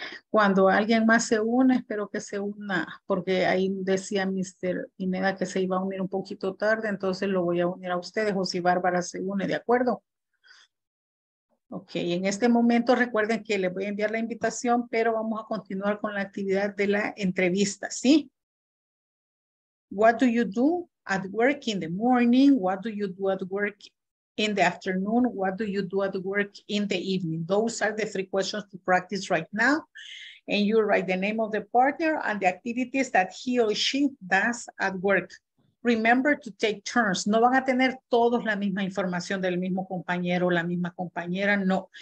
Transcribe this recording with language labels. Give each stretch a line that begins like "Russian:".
Spanish: Cuando alguien más se una, espero que se una, porque ahí decía Mr. Pineda que se iba a unir un poquito tarde, entonces lo voy a unir a ustedes, o si Bárbara se une, ¿de acuerdo? Ok, en este momento recuerden que les voy a enviar la invitación, pero vamos a continuar con la actividad de la entrevista, ¿sí?
English: What do you do at work in the morning? What do you do at work in the afternoon? What do you do at work in the evening? Those are the three questions to practice right now. And you write the name of the partner and the activities that he or she does at work. Remember to take turns.
Spanish: No van a tener todos la misma información del mismo compañero o la misma compañera, no.